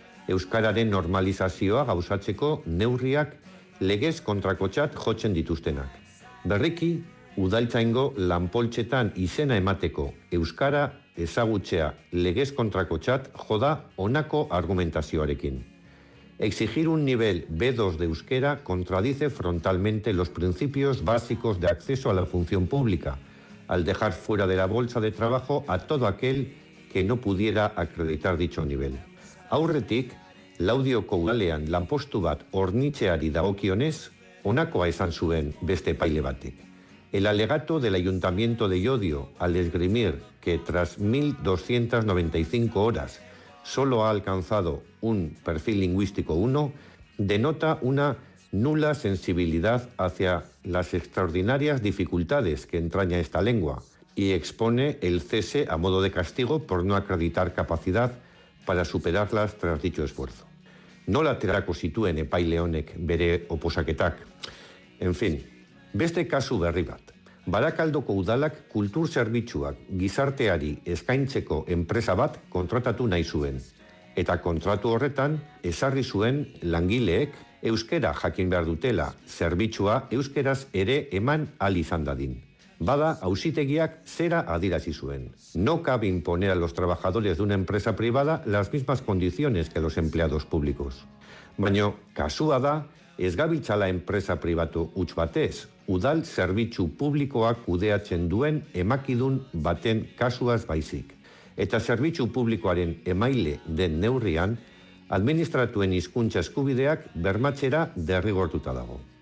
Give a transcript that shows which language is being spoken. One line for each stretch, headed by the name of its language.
Basque: Euskararen normalizazioa gauzatzeko neurriak legez kontrakotzat jotzen dituztenak. Berriki, udaltzaingo lanpoltzetan izena emateko euskara ezagutzea legez kontrakotzat joda honako argumentazioarekin.
Spanish: Exigir un nivel B2 de euskera contradice frontalmente los principios básicos de acceso a la función pública, al dejar fuera de la bolsa de trabajo a todo aquel que no pudiera acreditar dicho nivel.
Basque: Aurretik, Laudioko udalean lanpostu bat hornitzeari dagokionez, honakoa esan zuen beste paile batek.
Spanish: El alegato del Ayuntamiento de Llodio al esgrimir que tras 1.295 horas solo ha alcanzado un perfil lingüístico 1, denota una nula sensibilidad hacia las extraordinarias dificultades que entraña esta lengua y expone el cese a modo de castigo por no acreditar capacidad para superarlas tras dicho esfuerzo.
Basque: No la terako zituen epaile honek bere oposaketak.
Spanish: En fin,
Basque: beste kasu berri bat. Barakaldoko udalak kultur zerbitzuak gizarteari eskaintzeko enpresa bat kontratatu nahi zuen. Eta kontratu horretan, ezarri zuen langileek euskera jakin behar dutela zerbitzua euskeraz ere eman ahal izan dadin. Bada, auzitegiak zera adierazi zuen.
Spanish: No cabe imponer a los trabajadores de una empresa privada las mismas condiciones que los empleados públicos.
Basque: Baina, kasua da, ez gabiltzala enpresa pribatu huts batez, udal zerbitzu publikoa kudeatzen duen emakidun baten kasuaz baizik. Eta zerbitzu publikoaren emaile den neurrian, administratuen hizkuntza eskubideak bermatzera derrigortuta dago.